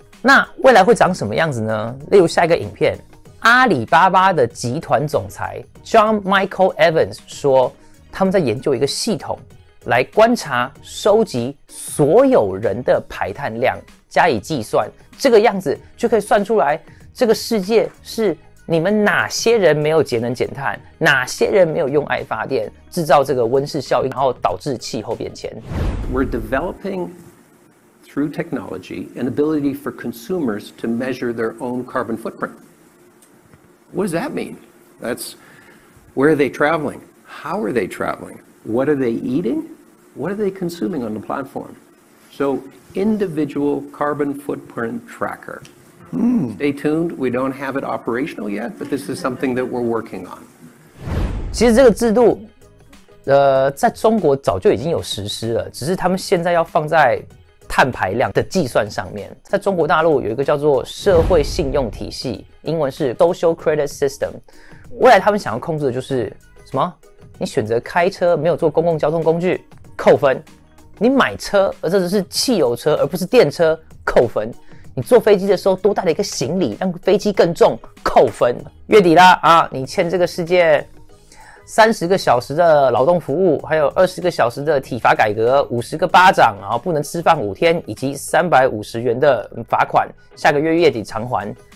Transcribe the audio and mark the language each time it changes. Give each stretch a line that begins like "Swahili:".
Chinese: 那未来会长什么样子呢？例如下一个影片，阿里巴巴的集团总裁 John Michael Evans 说，他们在研究一个系统来观察收集所有人的排碳量加以计算，这个样子就可以算出来这个世界是你们哪些人没有节能减碳，哪些人没有用爱发电，制造这个温室效应，然后导致气候变迁。
English: We're developingthrough technology, an ability for consumers to measure their own carbon footprint. What does that mean? That's, where are they traveling? How are they traveling? What are they eating? What are they consuming on the platform? So, individual carbon footprint tracker. Stay tuned, we don't have it operational yet, but this is something that we're working on.
Chinese: 其实这个制度在中国早就已经有实施了，只是他们现在要放在碳排量的计算上面。在中国大陆有一个叫做社会信用体系，英文是 Social Credit System。未来他们想要控制的就是什么？你选择开车没有坐公共交通工具扣分，你买车而这只是汽油车而不是电车扣分，你坐飞机的时候多带了一个行李让飞机更重扣分，月底啦啊，你欠这个世界30个小时的劳动服务，还有20个小时的体罚改革，50个巴掌，然后不能吃饭5天，以及350元的罚款，下个月月底偿还。